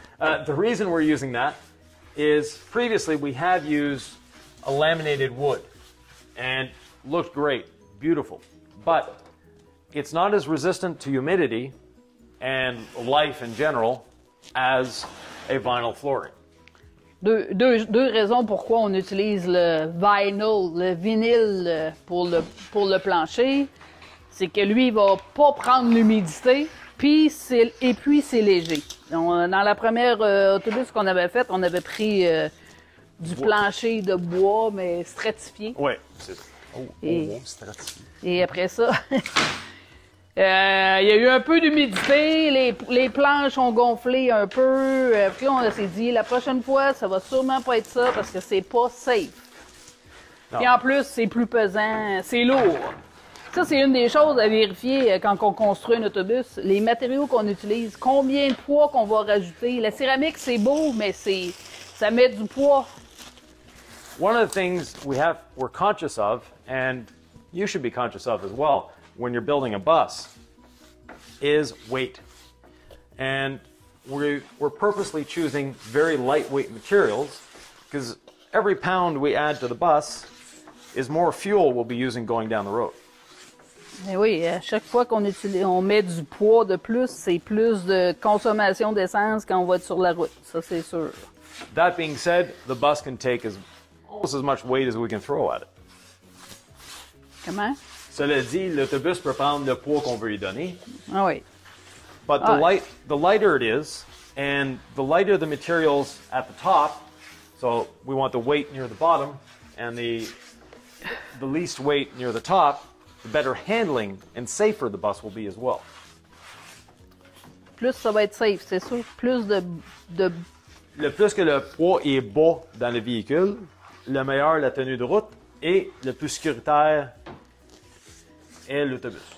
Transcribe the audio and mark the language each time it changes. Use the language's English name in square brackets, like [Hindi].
[English] The reason we're using that is previously we have used a laminated wood and looked great, beautiful, but it's not as resistant to humidity and life in general as a vinyl flooring. [French] Deux raisons pourquoi on utilise le vinyl, le vinyle pour le plancher, c'est que lui, il va pas prendre l'humidité, puis c'est léger. Dans la première autobus qu'on avait fait, on avait pris du plancher de bois, mais stratifié. Oui, c'est stratifié. Et après ça, il y a eu un peu d'humidité, les planches ont gonflé un peu. Puis on s'est dit, la prochaine fois, ça va sûrement pas être ça, parce que c'est pas safe. Et en plus, c'est plus pesant, c'est lourd. Ça, c'est une des choses à vérifier quand on construit un autobus. Les matériaux qu'on utilise, combien de poids qu'on va rajouter. La céramique, c'est beau, mais ça met du poids. [English] One of the things we're conscious of, and you should be conscious of as well, when you're building a bus, is weight. And we're purposely choosing very lightweight materials, because every pound we add to the bus is more fuel we'll be using going down the road. [French] Mais oui, à chaque fois qu'on utilise, on met du poids de plus, c'est plus de consommation d'essence quand on va être sur la route. Ça, c'est sûr. [English] That being said, the bus can take as almost as much weight as we can throw at it. [French] Comment? Cela dit, l'autobus peut prendre le poids qu'on veut lui donner. Ah oui. [English] But the lighter it is, and the lighter the materials at the top, so we want the weight near the bottom, and the least weight near the top, the better handling and safer the bus will be as well. [French] Plus ça va être safe, c'est sûr. Plus de... Le plus que le poids est bas dans le véhicule, le meilleur la tenue de route et le plus sécuritaire est l'autobus.